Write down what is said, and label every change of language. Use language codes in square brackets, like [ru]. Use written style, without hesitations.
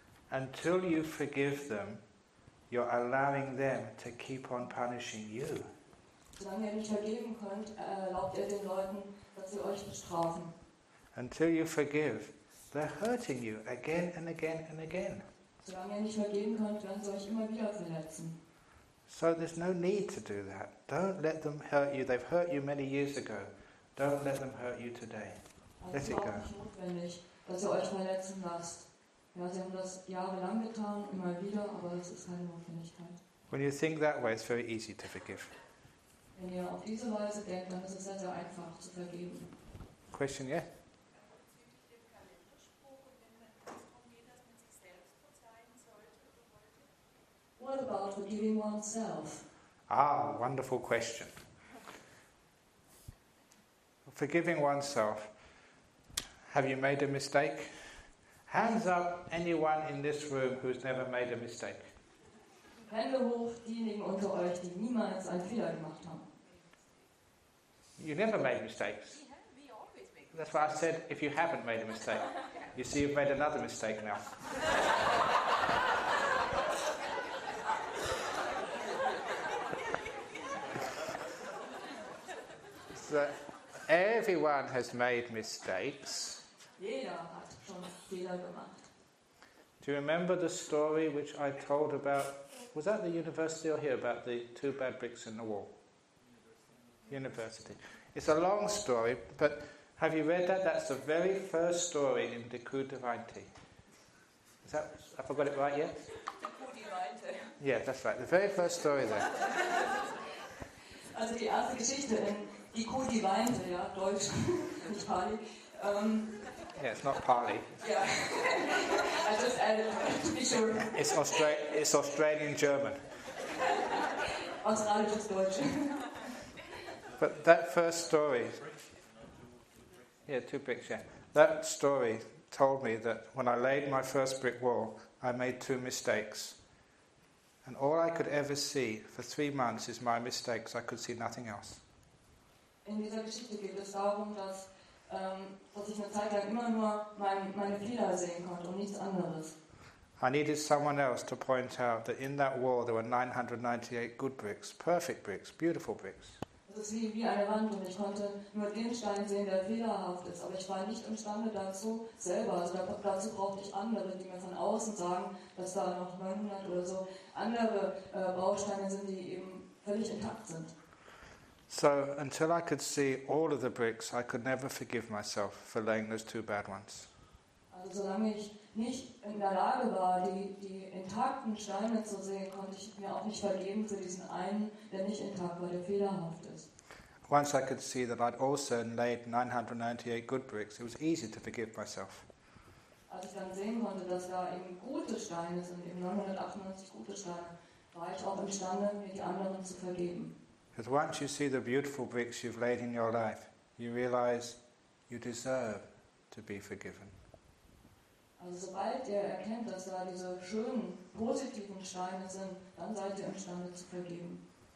[en] Until you forgive them, you're allowing them to keep on punishing you. [de] Solange ihr nicht vergeben könnt, erlaubt ihr den Leuten, dass sie euch bestrafen. [en] Until you forgive, they're hurting you again and again and again. [de] Solange ihr nicht vergeben könnt, werden sie euch immer wieder verletzen. [en] So there's no need to do that. Don't let them hurt you. They've hurt you many years ago. Don't let them hurt you today. Let it go. [de] Es ist auch nicht notwendig, dass ihr euch verletzen lasst. Ja, sie haben das jahrelang getan, immer wieder, aber es ist keine Notwendigkeit. [en] When you think that way, it's very easy to forgive. [de] Wenn ihr auf diese Weise denkt, dann ist es sehr, sehr einfach zu vergeben. [en] Question, yeah? What about forgiving oneself? Ah, wonderful question. Forgiving oneself. Have you made a mistake? Hands up, anyone in this room who's never made a mistake. [de] Hände hoch, diejenigen unter euch, die niemals einen Fehler gemacht haben. [en] You never made mistakes. That's why I said, if you haven't made a mistake, you see you've made another mistake now. So, everyone has made mistakes. [de] Jeder hat schon Fehler gemacht. [en] Do you remember the story which I told about, was that the university or here, about the two bad bricks in the wall? University. It's a long story, but have you read that? That's the very first story in Dekud Devainti. Is that, have I got it right yet? Dekud Devainti. Yeah, that's right. The very first story there. [de] Also, die erste Geschichte in Dekud Devainti, ja, Deutsch, nicht Pali. [en] Yeah, it's not Pali. Yeah. I just added to be sure. It's Australian German. [de] Australisch Deutsch. [en] But that first story, yeah, two bricks, yeah. That story told me that when I laid my first brick wall, I made two mistakes. And all I could ever see for 3 months is my mistakes. I could see nothing else. [de] In dieser Geschichte geht es darum, dass ich eine Zeit lang immer nur meine Fehler sehen konnte und nichts anderes. [en] I needed someone else to point out that in that wall there were 998 good bricks, perfect bricks, beautiful bricks. [de] Es ist wie eine Wand und ich konnte nur den Stein sehen, der fehlerhaft ist. Aber ich war nicht imstande dazu selber. Also dazu brauchte ich andere, die mir von außen sagen, dass da noch 900 oder so andere Bausteine sind, die eben völlig intakt sind. [en] So until I could see all of the bricks, I could never forgive myself for laying those two bad ones. [de] Also solange ich nicht in der Lage war, die intakten Steine zu sehen, konnte ich mir auch nicht vergeben für diesen einen, der nicht intakt war, der fehlerhaft ist. [en] Once I could see that I'd also laid 998 good bricks, it was easy to forgive myself. [de] Als ich dann sehen konnte, dass da eben gute Steine sind, eben 998 gute Steine, war ich auch imstande, mir die anderen zu vergeben. [en] Because once you see the beautiful bricks you've laid in your life, you realize you deserve to be forgiven. [de] Also sobald ihr erkennt, dass da diese schönen, positiven Steine sind, dann seid ihr imstande zu vergeben.